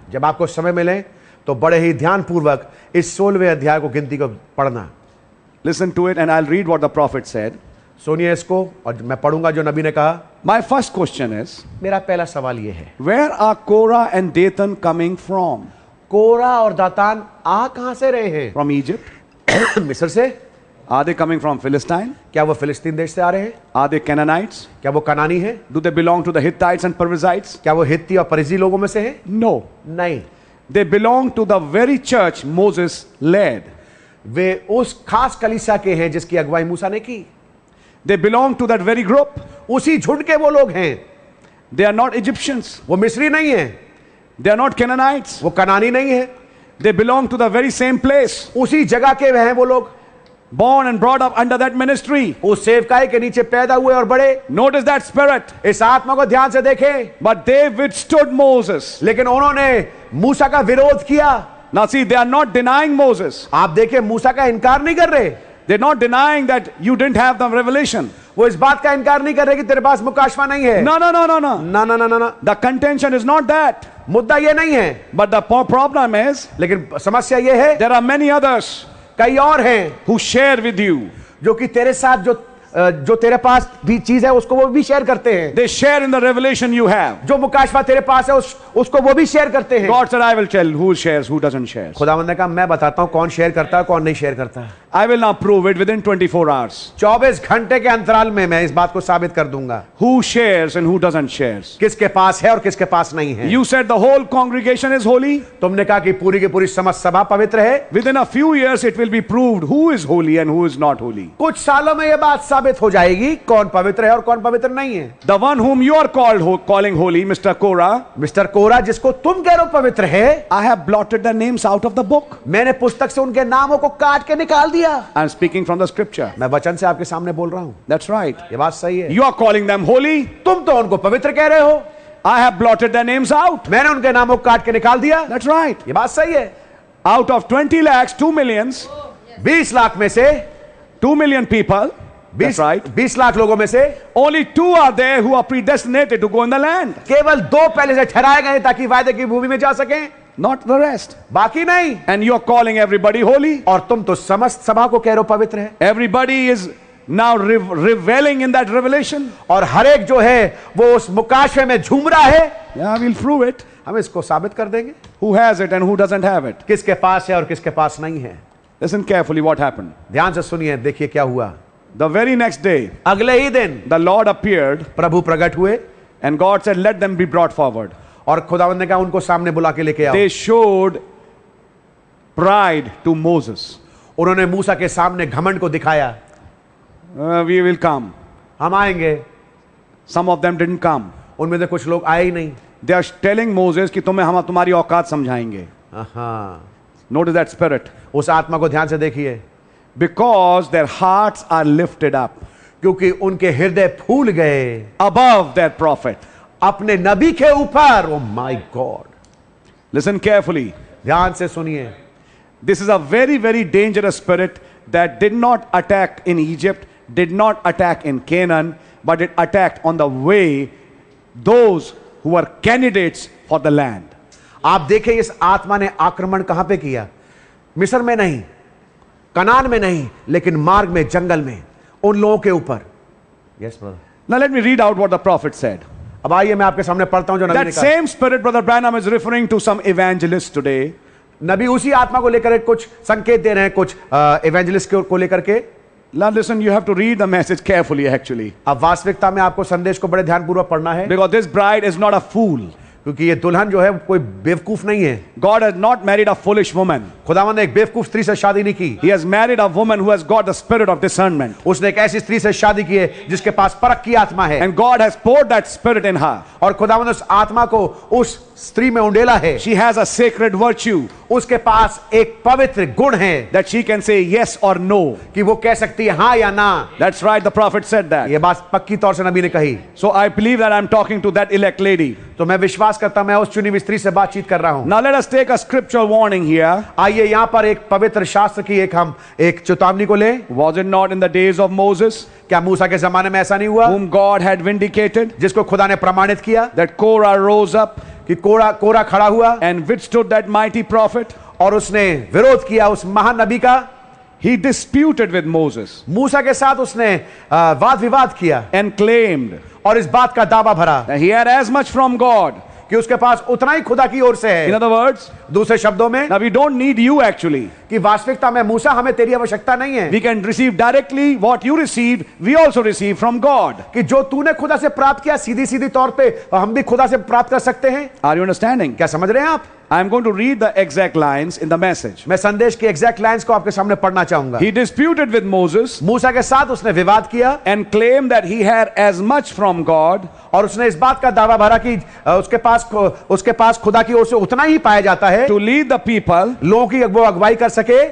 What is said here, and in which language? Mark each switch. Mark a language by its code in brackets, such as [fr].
[hi] जब आपको समय मिले, तो बड़े ही ध्यानपूर्वक इस 16वें अध्याय को गिनती को पढ़ना. [en] Listen to it, and I'll read what the prophet said. [hi] सुनिए इसको, और मैं पढूंगा जो नबी ने कहा. [en] My first question is. [hi] मेरा पहला सवाल ये है. [en] Where are Korah and Dathan coming from? [hi] Korah और Dathan आ कहाँ से रहे हैं? [en] From Egypt. [hi] मिस्र से. [en] Are they coming from Philistine? [hi] क्या वो फिलिस्तीन देश से आ रहे हैं? [en] Are they Canaanites? [hi] क्या वो कनानी हैं? [en] Do they belong to the Hittites and Perizzites? [hi] क्या वो हित्ती और परिजी लोगों में से हैं? [en] No. [hi] नहीं. [en] They belong to the very church Moses led. [hi] वे उस खास कलीसिया के हैं जिसकी अगुवाई मूसा ने की. [en] They belong to that very group. [hi] उसी झुंड के वो लोग हैं. [en] They are not Egyptians. [hi] वो मिस्री नहीं हैं. [en] They are not Canaanites. [hi] वो कनानी नहीं हैं. [en] They belong to the very same place. [hi] उसी जगह के हैं वो लोग. [en] Born and brought up under that ministry. [hi] उस सेवकाई के नीचे पैदा हुए और बड़े. [en] Notice that spirit. [hi] इस आत्मा को ध्यान से देखें. [en] But they withstood Moses. [hi] लेकिन उन्होंने मूसा का विरोध किया. [en] Now see, they are not denying Moses. [hi] आप देखें मूसा का इनकार नहीं कर रहे. [en] They're not denying that you didn't have the revelation. [hi] वो इस बात का इनकार नहीं कर रहे कि तेरे पास मुकाशवा नहीं है. [en] No, no, no, no, no. No, no, no, no, no. The contention is not that. [hi] मुद्दा ये नहीं है. [en] But the problem is. [hi] लेकिन समस्या ये है. [en] There are many others. [hi] कई और हैं [en] who share with you [hi] जो कि तेरे साथ जो तेरे पास भी चीज है उसको वो भी शेयर करते हैं [en] they share in the revelation you have [hi] जो मुकाशवा तेरे पास है उसको वो भी शेयर करते हैं [en] God said I will tell who shares who doesn't share [hi] खुदावंद ने कहा मैं बताता हूं कौन शेयर करता है कौन नहीं शेयर करता [en] I will now prove it within 24 hours. [hi] 24 घंटे के अंतराल में मैं इस बात को साबित कर दूंगा. [en] Who shares and who doesn't shares? [hi] किसके पास है और किसके पास नहीं है? [en] You said the whole congregation is holy. [hi] तुमने कहा कि पूरी की पूरी समस्त सभा पवित्र है. [en] Within a few years it will be proved who is holy and who is not holy. [hi] कुछ सालों में यह बात साबित हो जाएगी कौन पवित्र है और कौन पवित्र नहीं है. [en] The one whom you are called calling holy, Mr. Kora. Mr. [hi] Kora, जिसको तुम कह रहे हो पवित्र है. [en] I have blotted the names out of the book. [hi] मैंने पुस्तक से उनके नामों को काट के निकाल दिया. [en] I'm speaking from the scripture. [hi] मैं वचन से आपके सामने बोल रहा हूं. [en] That's right. [hi] ये बात सही है. [en] You are calling them holy. [hi] तुम तो उनको पवित्र कह रहे हो. [en] I have blotted their names out. [hi] मैंने उनके नामों को काट के निकाल दिया. [en] That's right. [hi] ये बात सही है. [en] Out of 20 lakhs, 2 millions. [hi] 20 lakh में से [en] 2 million people. That's right. [hi] 20 lakh लोगों में से [en] only 2 are there who are predestinated to go in the land. [hi] केवल दो पहले से ठहराए गए ताकि वायदे की भूमि में जा सकें. [en] Not the rest. [hi] बाकी नहीं. [en] And you are calling everybody holy. [hi] और तुम तो समस्त सभा को कह रहे हो पवित्र है. [en] Everybody is now reveling in that revelation. [hi] और हर एक जो है वो उस मुकाशे में झूम रहा है. [en] Yeah, we'll prove it. [hi] हम इसको साबित कर देंगे. [en] Who has it and who doesn't have it? [hi] किसके पास है और किसके पास नहीं है? [en] Listen carefully what happened. [hi] ध्यान से सुनिए देखिए क्या हुआ. [en] The very next day. [hi] अगले ही दिन. [en] The Lord appeared. [hi] प्रभु प्रकट हुए. [en] And God said, "Let them be brought forward." [hi] और खुदावंद ने कहा उनको सामने बुला के लेके आओ. [en] They showed pride to Moses. [hi] उन्होंने मूसा के सामने घमंड को दिखाया. [en] We will come. [hi] हम आएंगे. [en] Some of them didn't come. [hi] उनमें से कुछ लोग आए ही नहीं. [en] They are telling Moses [hi] कि तुम्हें हम तुम्हारी औकात समझाएंगे. हाँ. [en] Notice that spirit. [hi] उस आत्मा को ध्यान से देखिए. [en] Because their hearts are lifted up. [hi] क्योंकि उनके हृदय फूल गए. [en] Above their prophet. [hi] अपने नबी के ऊपर. [en] Oh my God. Listen carefully. [hi] ध्यान से सुनिए. [en] This is a very very dangerous spirit that did not attack in Egypt, did not attack in Canaan, but it attacked on the way those who are candidates for the land. [hi] आप देखें इस आत्मा ने आक्रमण कहां पे किया. मिस्र में नहीं, कनान में नहीं, लेकिन मार्ग में, जंगल में, उन लोगों के ऊपर. [en] Yes brother. Now let me read out what the prophet said. [hi] अब आइए मैं आपके सामने पढ़ता हूं जो नबी ने कहा. [en] Same spirit brother Branham is referring to some evangelist today. [hi] नबी उसी आत्मा को लेकर कुछ संकेत दे रहे हैं कुछ इवेंजलिस्ट को लेकर के. [en] Now listen, you have to read the message carefully actually. [hi] अब वास्तविकता में आपको संदेश को बड़े ध्यान पूर्वक पढ़ना है. [en] Because this bride is not a fool. [hi] क्योंकि ये दुल्हन जो है कोई बेवकूफ नहीं है. [en] God has not married a foolish woman. [hi] खुदावंद ने एक बेवकूफ स्त्री से शादी नहीं की. [en] He has married a woman who has got the spirit of discernment. [hi] उसने एक ऐसी स्त्री से शादी की है जिसके पास परख की आत्मा है. [en] And God has poured that spirit in her. [hi] और खुदावंद उस आत्मा को उस स्त्री में उंडेला है. [en] She has a sacred virtue. [hi] उसके पास एक पवित्र गुण है. [en] That she can say yes or no. [hi] कि वो कह सकती है हाँ या ना. [en] That's right, the prophet said that. [hi] ये बात पक्की तौर से नबी ने कही. [en] So I believe that I'm talking to that elect lady. [hi] तो मैं विश्वास करता हूं मैं उस चुनी हुई स्त्री से बातचीत कर रहा हूं. [en] Now let us take a scriptural warning here. [hi] आइए यहां पर एक पवित्र शास्त्र की एक हम एक चेतावनी को ले. [en] Was it not in the days of Moses? [hi] क्या मूसा के जमाने में ऐसा नहीं हुआ? [en] Whom God had vindicated. [hi] जिसको खुदा ने प्रमाणित किया. [en] That Korah rose up. [hi] कि कोरा खड़ा हुआ. [en] And withstood that mighty prophet. [hi] और उसने विरोध किया उस महानबी का. [en] He disputed with Moses. [hi] मूसा के साथ उसने वाद विवाद किया. [en] And claimed. [hi] और इस बात का दावा भरा. [en] He had as much from God. [hi] कि उसके पास उतना ही खुदा की ओर से है. [en] In other words, [hi] दूसरे शब्दों में, [en] now we don't need you actually. [hi] कि वास्तविकता में मूसा हमें तेरी आवश्यकता नहीं है. [en] We can receive directly what you received, we also receive from God. [hi] कि जो तूने खुदा से प्राप्त किया सीधी सीधी तौर पे हम भी खुदा से प्राप्त कर सकते हैं. [en] Are you understanding? [hi] क्या समझ रहे हैं आप? [en] I am going to read the exact lines in the message. [hi] मैं संदेश की exact lines को आपके सामने पढ़ना चाहूंगा. [en] He disputed with Moses. [hi] मूसा के साथ उसने विवाद किया. [en] And claimed that he had as much from God. [hi] और उसने इस बात का दावा भरा कि उसके पास खुदा की ओर से उतना ही पाया जाता है. [en] To lead the people. [hi] लोगों की वो अगुवाई कर सके.